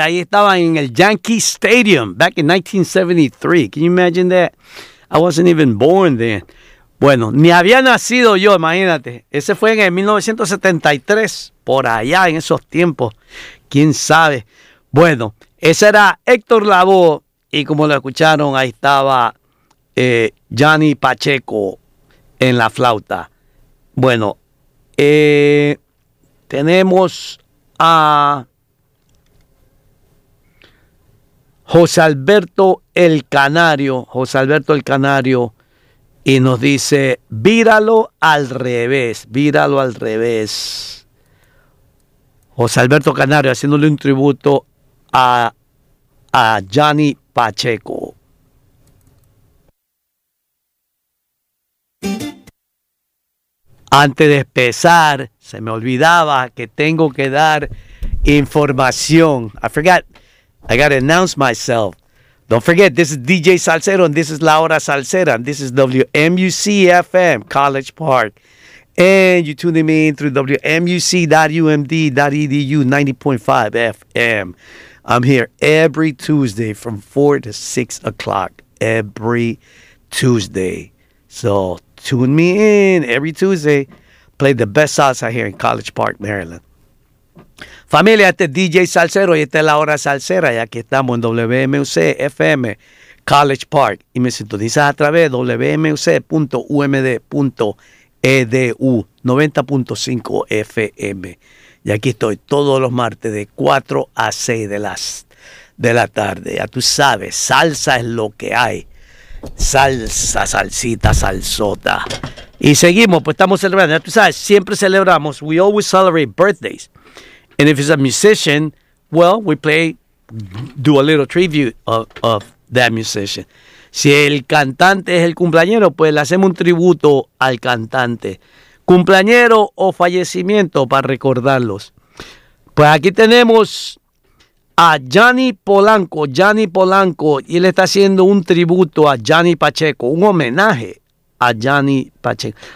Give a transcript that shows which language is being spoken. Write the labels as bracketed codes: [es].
[es] Ahí estaba en el Yankee Stadium [en] back in [es] 1973. [en] Can you imagine that? I wasn't even born then. [es] Bueno, ni había nacido yo, imagínate. Ese fue en el 1973, por allá en esos tiempos. ¿Quién sabe? Bueno, ese era Héctor Lavoe. Y como lo escucharon, ahí estaba Johnny Pacheco en la flauta. Bueno, tenemos a José Alberto el Canario. José Alberto el Canario. Y nos dice: víralo al revés. Víralo al revés. José Alberto Canario haciéndole un tributo a Johnny Pacheco. Antes de empezar, se me olvidaba que tengo que dar información. [en] I forgot. I got to announce myself. Don't forget, this is DJ Salcero, and this is La Hora Salcera, and this is WMUC-FM, College Park. And you're tuning in through WMUC.UMD.EDU 90.5 FM. I'm here every Tuesday from 4 to 6 o'clock, every Tuesday. So tune me in every Tuesday. Play the best salsa here in College Park, Maryland. [es] Familia, este es DJ Salcero y esta es La Hora Salsera. Y aquí estamos en WMUC FM, College Park. Y me sintonizas a través de wmuc.umd.edu 90.5 FM. Y aquí estoy todos los martes de 4 a 6 de la tarde. Ya tú sabes, salsa es lo que hay. Salsa, salsita, salsota. Y seguimos, pues estamos celebrando. Ya tú sabes, siempre celebramos. [en] We always celebrate birthdays. And if it's a musician, well, we play, do a little tribute of that musician. [es] Si el cantante es el cumpleañero, pues le hacemos un tributo al cantante. Cumpleañero o fallecimiento, para recordarlos. Pues aquí tenemos a Johnny Polanco, y él está haciendo un tributo a Johnny Pacheco, un homenaje a Johnny Pacheco.